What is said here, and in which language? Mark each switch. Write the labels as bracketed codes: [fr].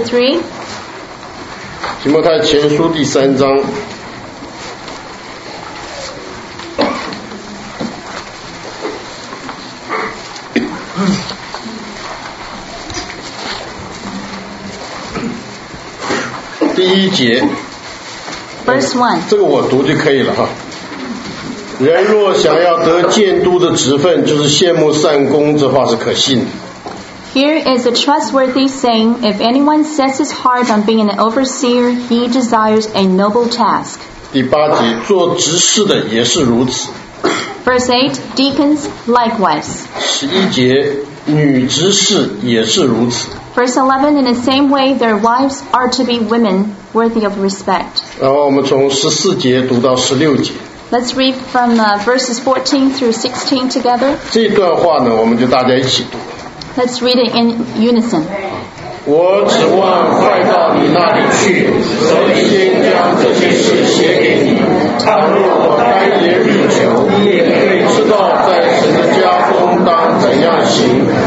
[zh] 3。 提摩太前书第三章第一节 [en] Verse 1， [zh] 这个我读就可以了哈。人若想要得监督的职分，就是羡慕善工，这话是可信的。 [en] Here is a trustworthy saying: if anyone sets his heart on being an overseer, he desires a noble task. [zh] 第八节，做执事的也是如此。 [en] Verse 8, deacons likewise. [zh] 十一节，女执事也是如此。 [en] Verse 11, in the same way, their wives are to be women worthy of respect. [zh] 然后我们从十四节读到十六节。 [en] Let's read from verses 14 through 16 together. [zh] 这段话呢，我们就大家一起读。 [en] Let's read it in unison. [zh] 我指望快到你那里去，所以先将这些事写给你。倘若我待延日久，你也可以知道在神的家中当怎样行。